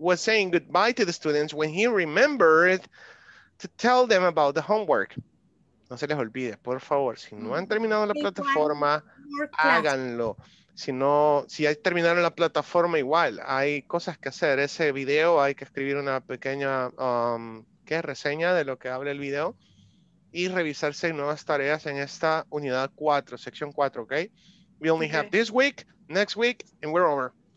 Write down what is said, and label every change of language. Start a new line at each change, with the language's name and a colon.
English: The teacher was saying goodbye to the students when he remembered to tell them about the homework.
Spanish: No se les olvide, por favor, si no han terminado la plataforma, háganlo. Si ya terminaron la plataforma, igual, hay cosas que hacer. Ese video, hay que escribir una pequeña reseña de lo que habla el video y revisarse nuevas tareas en esta unidad 4, sección 4, ¿ok?
English: We only have this week, next week, and we're over.